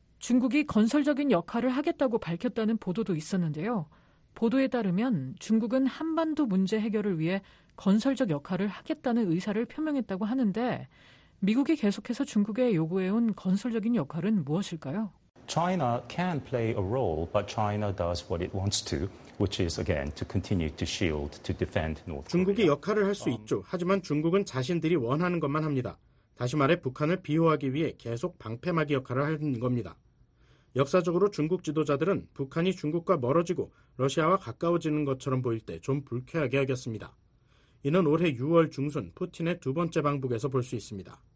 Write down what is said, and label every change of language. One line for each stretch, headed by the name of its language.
Korean: 중국이 건설적인 역할을 하겠다고 밝혔다는 보도도 있었는데요. 보도에 따르면 중국은 한반도 문제 해결을 위해 건설적 역할을 하겠다는 의사를 표명했다고 하는데 미국이 계속해서 중국에 요구해온 건설적인 역할은 무엇일까요?
English: China can play a role, but China does what it wants to, which is again to continue to shield, to defend North Korea.
Korean: 중국이 역할을 할 수 있죠. 하지만 중국은 자신들이 원하는 것만 합니다. 다시 말해 북한을 비호하기 위해 계속 방패막이 역할을 하는 겁니다. 역사적으로 중국 지도자들은 북한이 중국과 멀어지고 러시아와 가까워지는 것처럼 보일 때 좀 불쾌하게 여겼습니다. 이는 올해 6월 중순 푸틴의 두 번째 방북에서 볼 수 있습니다.